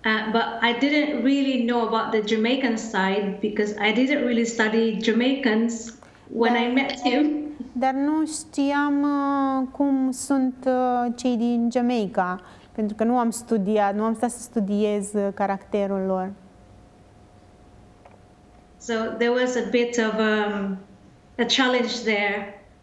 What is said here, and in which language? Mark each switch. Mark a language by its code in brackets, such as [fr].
[en] But I didn't really know about the Jamaican side because I didn't really study Jamaicans when I met him. [ro] Dar nu știam cum sunt cei din Jamaica, pentru că nu am stat să studiez caracterul lor. [en] So there was a bit of a challenge there.